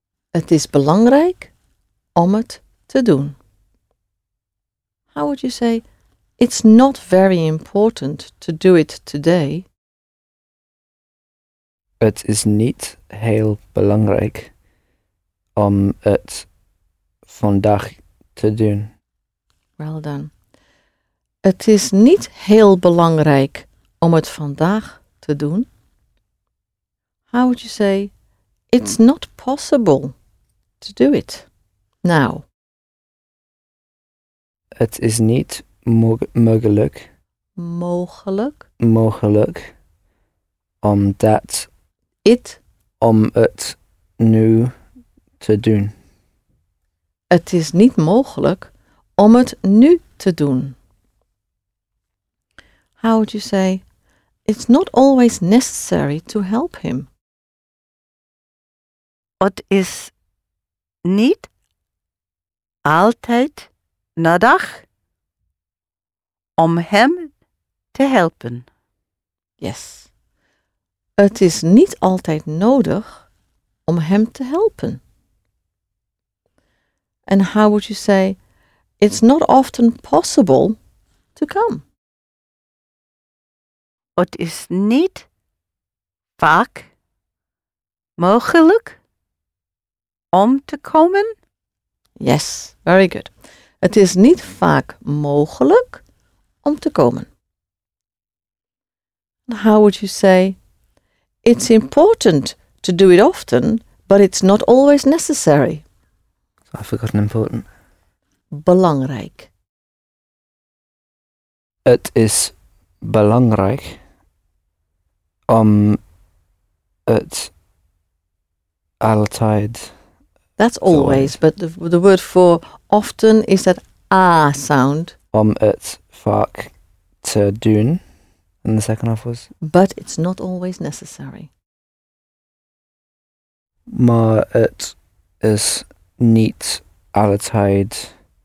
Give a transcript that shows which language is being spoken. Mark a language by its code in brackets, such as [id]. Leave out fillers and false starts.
[nl] Het is belangrijk om het te doen. [en] How would you say, it's not very important to do it today? [nl] Het is niet heel belangrijk om het vandaag te doen. [en] Well done. [nl] Het is niet heel belangrijk om het vandaag te doen. [en] How would you say, it's not possible to do it now? [nl] Het is niet mogelijk. Mogelijk. Mogelijk. Om dat. [en] It. [nl] Om het nu te doen. Het is niet mogelijk om het nu te doen. [en] How would you say, it's not always necessary to help him? [nl] Het is niet altijd nodig om hem te helpen. [en] Yes. [nl] Het is niet altijd nodig om hem te helpen. [en] And how would you say, it's not often possible to come? [nl] Het is niet vaak mogelijk om te komen? [en] Yes, very good. [nl] Het is niet vaak mogelijk om te komen. [en] How would you say, it's important to do it often, but it's not always necessary? I've forgotten important. [nl] Belangrijk. Het is belangrijk om het altijd. [en] That's always, but the word for often is that ah sound. [nl] Om het vaak te doen. [en] And the second half was. But it's not always necessary. [nl] Maar het is niet altijd